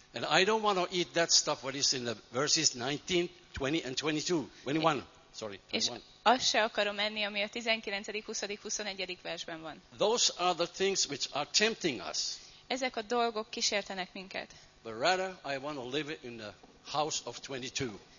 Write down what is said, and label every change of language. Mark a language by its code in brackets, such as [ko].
[en] And I don't want to eat that stuff what is in the verses 19, 20 and 22. 21. Sorry. 21. [hu] Azt se akarom enni, ami a 19., 20., 21. versben van. [en] Those are the things which are tempting us. [hu] Ezek a dolgok kísértenek minket. [en] But rather I want to live in the house of 22.